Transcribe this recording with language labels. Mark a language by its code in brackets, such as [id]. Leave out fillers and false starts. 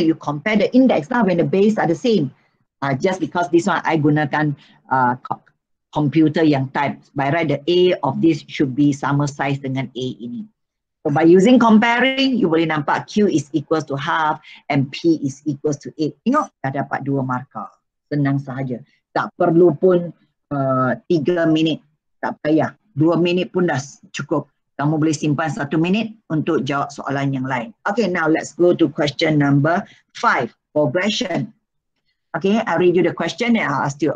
[en] You compare the index lah when the base are the same. Just because this one, I [ms] gunakan computer yang type. [en] By right, the A of this should be [ms] sama size dengan [en] A ini. So by using comparing, you boleh nampak Q is equal to half and P is equal to 8. [ms] Tengok, dah dapat dua markah. Senang sahaja. Tak perlu pun 3 minit. Tak payah. 2 minit pun dah cukup. Kamu boleh simpan 1 minit untuk jawab soalan yang lain. [en] Okay, now let's go to question number 5. Progression. Okay, I read you the question and I'll ask you.